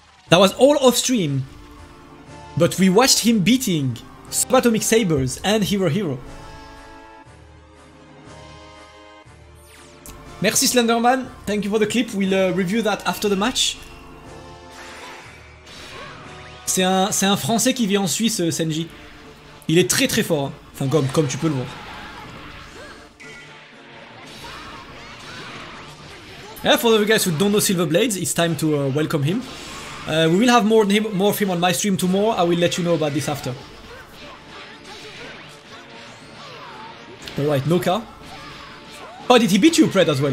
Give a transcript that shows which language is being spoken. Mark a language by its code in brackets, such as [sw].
[en] That was all off stream, but we watched him beating Subatomic Sabres and Hirohiro. Merci Slenderman, thank you for the clip, we'll review that after the match. [fr] C'est un français qui vit en Suisse, Senji. Il est très très fort, enfin comme tu peux le voir. [en] Yeah, for those of you guys who don't know Silver Blades, it's time to welcome him. We will have more of him on my stream tomorrow. I will let you know about this after. Alright, Noka. Oh, did he beat you, Pred, as well?